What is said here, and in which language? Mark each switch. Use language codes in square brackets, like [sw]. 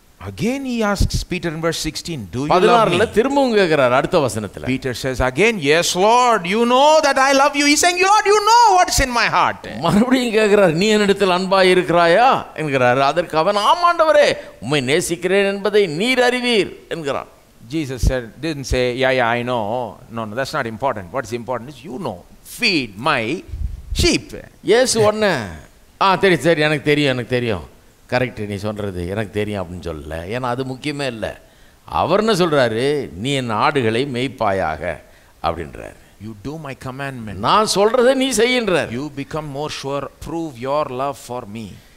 [en] Again he asks Peter in verse 16, do you love me? [ta] பதினாறுல திரும்பவும் கேட்கிறார் அடுத்த வசனத்தில். [en] Peter says again, yes Lord, you know that I love you. He's saying, Lord, you know what's in my heart. [ta] மறுபடியும் கேட்கிறார், நீ என்னிடத்தில் அன்பாய் இருக்கிறாயா என்கிறார். அதற்கு அவன், ஆமாண்டவரே, உம்மை நேசிக்கிறேன் என்பதை நீர் அறிவீர் என்கிறான். [en] Jesus said, didn't say, yeah, yeah, I know. No, that's not important. What's important is, you know, feed my sheep. [ta] Yes, ஒன்று, ஆ, தெரியும் சரி, எனக்கு தெரியும் எனக்கு தெரியும், கரெக்டு, நீ சொல்கிறது எனக்கு தெரியும் அப்படின்னு சொல்லலை. ஏன்னா அது முக்கியமே இல்லை. அவர்னு சொல்கிறாரு, நீ என் ஆடுகளை மெய்ப்பாயாக அப்படின்றார். [en] You do my commandment. [ta] நான் சொல்கிறத நீ செய்கின்றார். [en] You become more sure, prove your love for me.